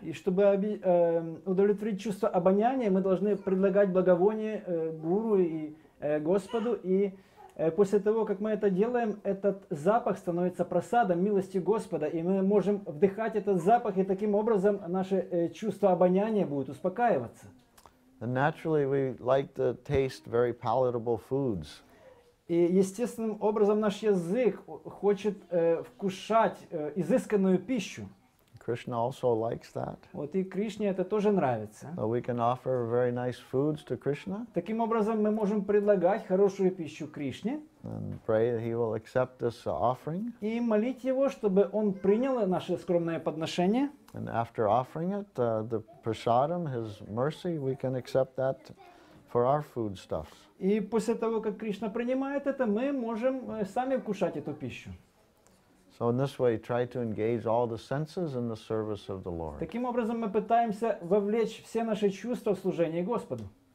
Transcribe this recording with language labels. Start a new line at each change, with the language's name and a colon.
Russian: И чтобы удовлетворить чувство обоняния, мы должны предлагать благовоние гуру и Господу, и после того, как мы это делаем, этот запах становится просадом милости Господа, и мы можем вдыхать этот запах, и таким образом наше чувство обоняния будет успокаиваться.
English: And naturally, we like to taste very palatable foods.
Russian: И естественным образом наш язык хочет вкушать изысканную пищу.
English: Krishna also likes that.
Russian: Вот и Кришне это тоже нравится.
English: So we can offer very nice foods to Krishna.
Russian: Таким образом мы можем предлагать хорошую пищу Кришне.
English: And pray that he will accept this offering.
Russian: И молить его, чтобы он принял наше скромное подношение.
English: And after offering it, the prasadam, his mercy, we can accept that for our foodstuffs.
Russian: И после того, как Кришна принимает это, мы можем сами кушать эту пищу.
English: So in this way, try to engage all the senses in the service of the Lord.
Russian: Таким образом, мы пытаемся вовлечь все наши чувства в служение Господу.